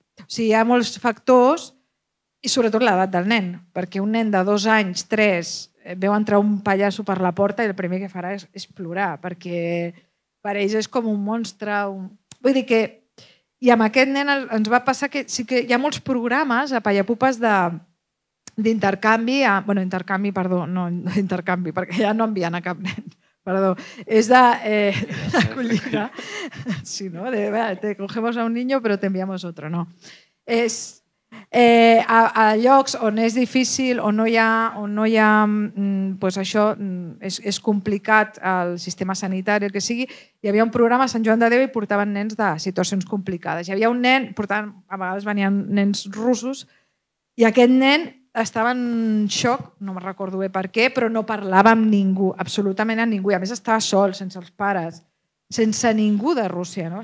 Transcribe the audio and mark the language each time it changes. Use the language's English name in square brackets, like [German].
[Catalan] O sigui, hi ha molts factors i sobretot l'edat del nen, perquè un nen de 2 anys, 3, veu entrar un pallasso per la porta i el primer que farà és plorar, perquè per ells és com un monstre... Vull dir que... I amb aquest nen ens va passar que sí que hi ha molts programes a Pallapupes d'intercanvi, bueno, intercanvi, perdó, no intercanvi, perquè ja no envien a cap nen, perdó, és d'acollida, sí, no? [Spanish] Te cogemos a un niño pero te enviamos otro, no. [Catalan] És a llocs on és difícil, on no hi ha, pues això, és complicat el sistema sanitari, el que sigui, hi havia un programa a Sant Joan de Déu i portaven nens de situacions complicades. Hi havia un nen, portaven, a vegades venien nens russos, i aquest nen estava en xoc, no me recordo bé per què, però no parlava amb ningú, absolutament amb ningú. I a més estava sol, sense els pares, sense ningú de Rússia, no?